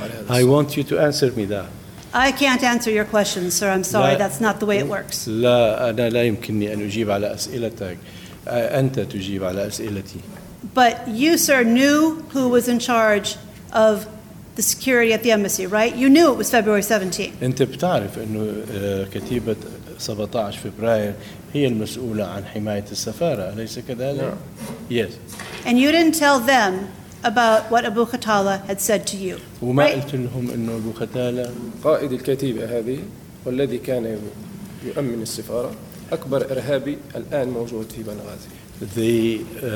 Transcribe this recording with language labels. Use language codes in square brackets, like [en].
[en] I want you to answer me that. I can't answer your question, sir. I'm sorry. That's not the way it works. [ar] لا أنا لا يمكنني أن أجيب على أسئلتك. أنت تجيب على أسئلتي. [en] But you, sir, knew who was in charge of the security at the embassy, right? You knew it was February 17. [ar] أنت بتعرف إنه كتيبة 17 فبراير هي المسؤولة عن حماية السفارة، أليس كذلك؟ [en] Yes. And you didn't tell them about what Abu Khattala had said to you. [ar] وما قلت لهم إنه أبو ختالة قائد الكتيبة هذه والذي كان يؤمن السفارة أكبر إرهابي الآن موجود في بنغازي.